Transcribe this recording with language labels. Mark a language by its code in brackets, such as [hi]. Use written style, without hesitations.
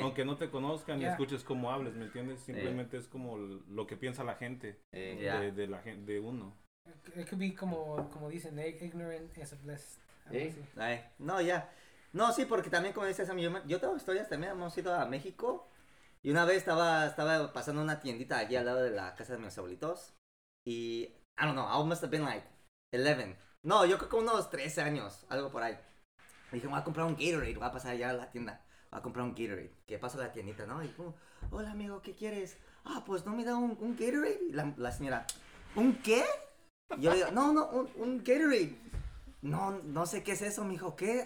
[es] Aunque no te conozcan y escuches cómo hables, ¿me entiendes? Simplemente es como lo que piensa la gente de uno. [en] It could be [es] como dicen, [en] ignorant is a blessed. [es] No, sí, porque también, como dices a mí, yo tengo historias también, hemos ido a México. Y una vez estaba pasando una tiendita allí al lado de la casa de mis abuelitos. [en] Y, I don't know, I must have been like 11. [es] No, yo creo que unos 13 años, algo por ahí. Y dije, voy a comprar un Gatorade, voy a pasar allá a la tienda. a comprar un Gatorade. Que pasa la tiendita, ¿no? Y como, hola, amigo, ¿qué quieres? Ah, pues no me da un Gatorade. Y la señora, ¿un qué? Y yo le digo, no, un Gatorade. No sé qué es eso, mijo, ¿qué?